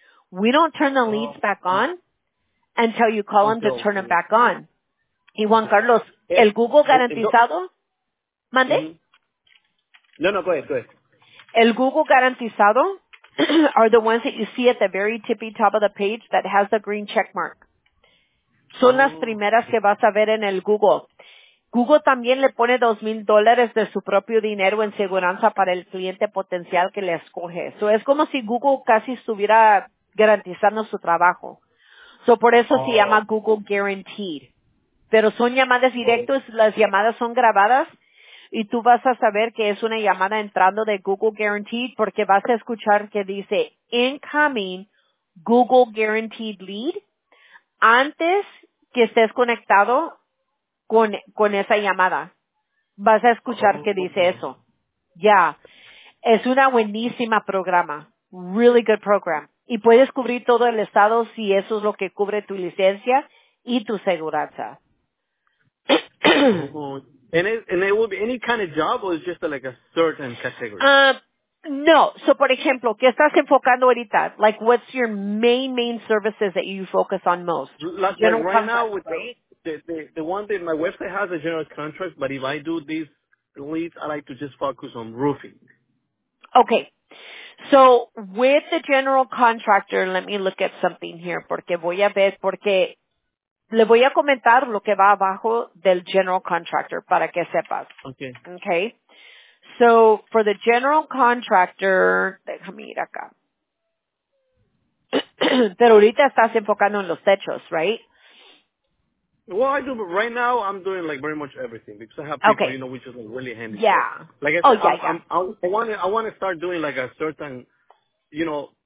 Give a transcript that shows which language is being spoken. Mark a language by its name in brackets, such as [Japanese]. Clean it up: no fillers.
[English] We don't turn the leads back on until you call them to turn them back on. [Spanish] Y Juan Carlos, ¿el Google garantizado? ¿Mande? [English] No, go ahead. [Spanish] El Google garantizado [English] are the ones that you see at the very tippy top of the page that has the green check mark. [Spanish] Son las primeras que vas a ver en el Google. Google también le pone $2,000 de su propio dinero en seguridad para el cliente potencial que le escoge. [English] So, [Spanish] es como si Google casi estuviera garantizando su trabajo. So, por eso se llama Google Guaranteed. Pero son llamadas directas, las llamadas son grabadas y tú vas a saber que es una llamada entrando de Google Guaranteed porque vas a escuchar que dice [English] incoming Google Guaranteed lead [Spanish] antes que estés conectado con esa llamada. Vas a escuchar que dice eso. [English] Yeah. [Spanish] Es una buenísima programa. [English] Really good program. [Spanish] Y puedes cubrir todo el estado si eso es lo que cubre tu licencia y tu seguridad. [English] and it will be any kind of job or it's just like a certain category? [Spanish] No. So, por ejemplo, ¿qué estás enfocando ahorita? [English] Like, what's your main services that you focus on most? The one thing, my website has a general contract, but if I do these leads, I like to just focus on roofing. Okay. So, with the general contractor, let me look at something here, [Spanish] porque voy a ver, porque le voy a comentar lo que va abajo del general contractor para que sepas. [English] Okay. So, for the general contractor, [Spanish] déjame ir acá. Pero ahorita estás enfocando en los techos, [English] right? Well, I do, but right now I'm doing like very much everything because I have people, you know, which is like really handy. Yeah. I want to start doing like a certain, you know,